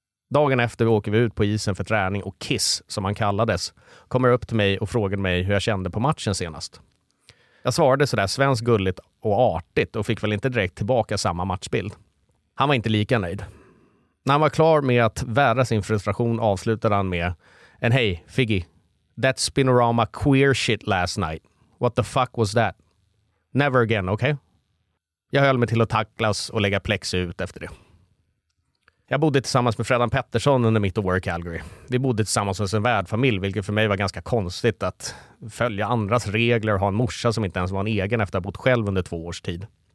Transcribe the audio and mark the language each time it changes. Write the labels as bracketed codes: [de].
[sv] Dagen efter åker vi ut på isen för träning och Kiss, som han kallades, kommer upp till mig och frågar mig hur jag kände på matchen senast. Jag svarade sådär svenskt gulligt och artigt och fick väl inte direkt tillbaka samma matchbild. Han var inte lika nöjd. När han var klar med att värra sin frustration avslutade han med en hej, Figgy. [en] That spinorama queer shit last night. What the fuck was that? Never again, okay? [sv] Jag höll mig till att tacklas och lägga plexi ut efter det. Jag bodde tillsammans med Fredan Pettersson under mitt år i Calgary. Vi bodde tillsammans hos en värdfamilj, vilket för mig var ganska konstigt att följa andras regler och ha en morsa som inte ens var en egen efter att ha bott själv under 2 års tid.